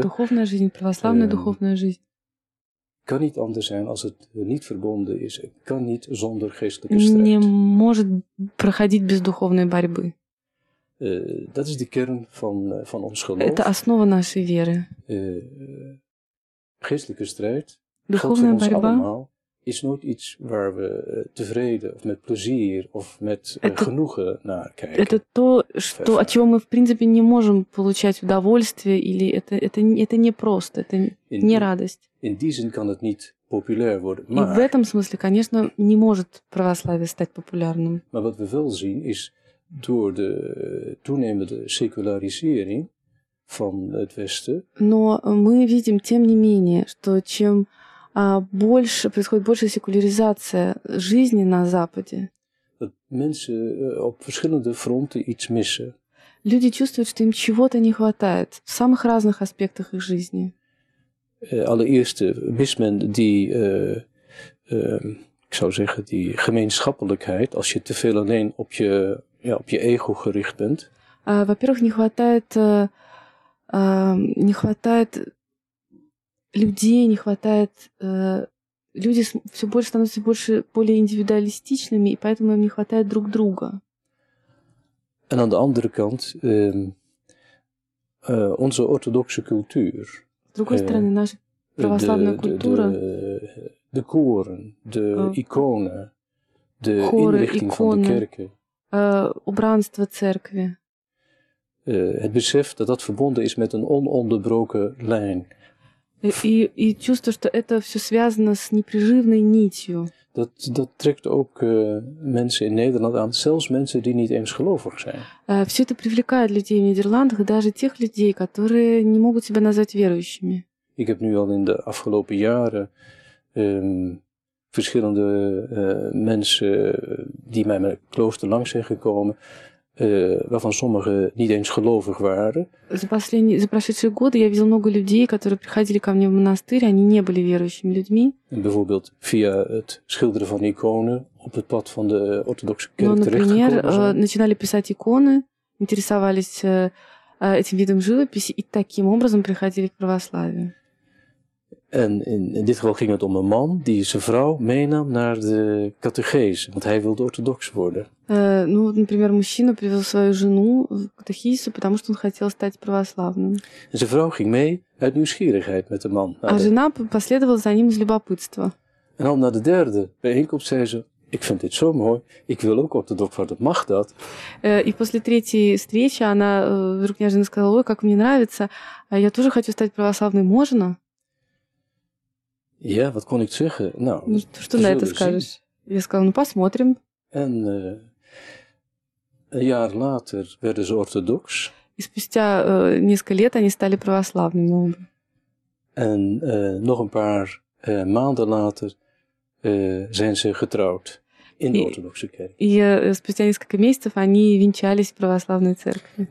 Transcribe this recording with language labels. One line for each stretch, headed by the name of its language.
Russian: Духовная жизнь, православная духовная жизнь.
Dutch: Kan niet anders zijn als het niet verbonden is. Kan niet zonder geestelijke strijd.
Russian: Не может проходить без духовной борьбы.
Dutch: Dat is de kern van ons geloof.
Russian: Это основа нашей веры.
Dutch: Geestelijke strijd.
Russian: Духовная God борьба.
Dutch: Allemaal, is nooit iets waar we tevreden of met plezier of met genoegen naar kijken.
Russian: Это то, что от чего мы в принципе не можем получать удовольствие или это не просто, это не радость.
Dutch: In die zin kan het niet populair worden.
Russian: И в этом смысле, конечно, не может православие стать популярным.
Dutch: Maar wat we wel zien is door de toenemende secularisering van het Westen.
Russian: Но мы видим тем не менее, что чем больше происходит больше секуляризация жизни на Западе.
Dutch: Mensen op verschillende fronten iets missen.
Russian: Люди чувствуют, что им чего-то не хватает в самых разных аспектах их жизни.
Dutch: Allereerst mist men die, ik zou zeggen, die gemeenschappelijkheid als je te veel alleen op je, ja, op je ego gericht bent.
Russian: Во-первых, не хватает людей, не хватает, люди все больше становятся больше более индивидуалистичными, и поэтому им не хватает друг друга.
Dutch: En aan de andere kant, onze orthodoxe cultuur.
Russian: С другой стороны, наша православная культура.
Dutch: De koren, de iconen, de inrichting van de kerken.
Russian: Убранство церкви.
Dutch: Het besef dat dat verbonden is met een ononderbroken lijn.
Russian: И чувство, что это все связано с непрерывной нитью.
Dutch: Dat trekt ook mensen in Nederland aan, zelfs mensen die niet eens gelovig zijn.
Russian: Все это привлекает людей в Нидерландах, даже тех людей, которые не могут себя назвать верующими.
Dutch: Ik heb nu al in de afgelopen jaren verschillende mensen die mij met klooster langs zijn gekomen, waarvan sommigen niet eens gelovig waren.
Russian: За прошедшие годы я видел много людей, которые приходили ко мне в монастырь, они не были верующими людьми.
Dutch: Bijvoorbeeld via het schilderen van iconen op het pad van de orthodoxe kerk terechtgekomen.
Russian: Например, начинали писать иконы, интересовались этим видом живописи и таким образом приходили к православию.
Dutch: En in dit geval ging het om een man die zijn vrouw meenam naar de catechese, want hij wilde orthodox worden.
Russian: Мужчина привел свою жену в катехизису, потому что он хотел стать православным.
Dutch: En zijn vrouw ging mee uit nieuwsgierigheid met de man.
Russian: А жена последовала за ним из любопытства.
Dutch: En al naar de derde bijeenkomst zei ze: ik vind dit zo mooi, ik wil ook orthodox worden, mag dat?
Russian: И после третьей встречи она вдруг неожиданно сказала: ой, как мне нравится, я тоже хочу стать православным, можно?
Dutch: Ja, wat kon ik zeggen? Nou,
Russian: что на это скажешь? Я сказал, ну посмотрим.
Dutch: En een jaar later werden ze orthodox.
Russian: И спустя несколько лет они стали православными.
Dutch: En nog een paar maanden later zijn ze getrouwd in de orthodoxe kerk.
Russian: И спустя несколько месяцев они венчались в православной церкви.